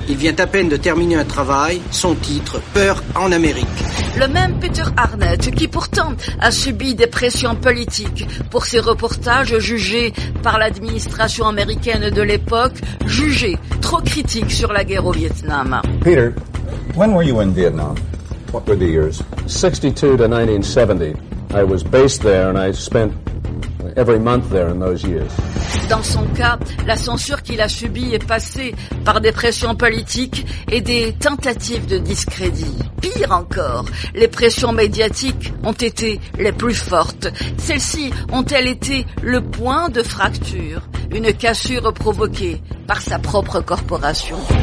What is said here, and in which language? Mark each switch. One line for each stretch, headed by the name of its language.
French: Il vient à peine de terminer un travail, son titre, Peur en Amérique. Le même Peter Arnett, qui pourtant a subi des pressions politiques pour ses reportages jugés par l'administration américaine de l'époque, jugés trop critiques sur la guerre au Vietnam.
English: Peter, when were you in Vietnam? What were the years? 62 to 1970. I was based there and I spent every month there in those years.
French: Dans son cas, la censure qu'il a subie est passée par des pressions politiques et des tentatives de discrédit. Pire encore, les pressions médiatiques ont été les plus fortes. Celles-ci ont-elles été le point de fracture, une cassure provoquée par sa propre corporation.